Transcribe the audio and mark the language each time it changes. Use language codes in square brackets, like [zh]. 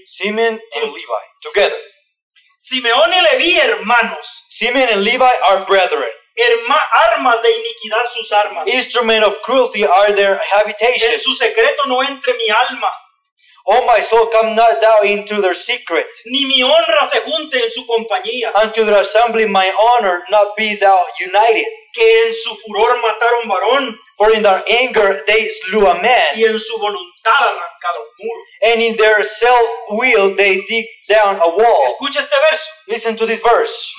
[en] Simeon and Levi. Together. [es] Simeón y Levi, hermanos. [en] Simeon and Levi are brethren. [es] Armas de iniquidad sus armas. [en] Instrument of cruelty are their habitations. [es] En su secreto no entre mi alma. [en] Oh, my soul, come not thou into their secret. [es] Ni mi honra se junte en su compañía. [en] Unto their assembly, my honor, not be thou united. [es] Que en su furor mataron varón. [en] For in their anger they slew a man. [es] Y en su voluntad arrancaron muro. [en] And in their self-will they dig down a wall. [es] Escucha este verso. [en] Listen to this verse.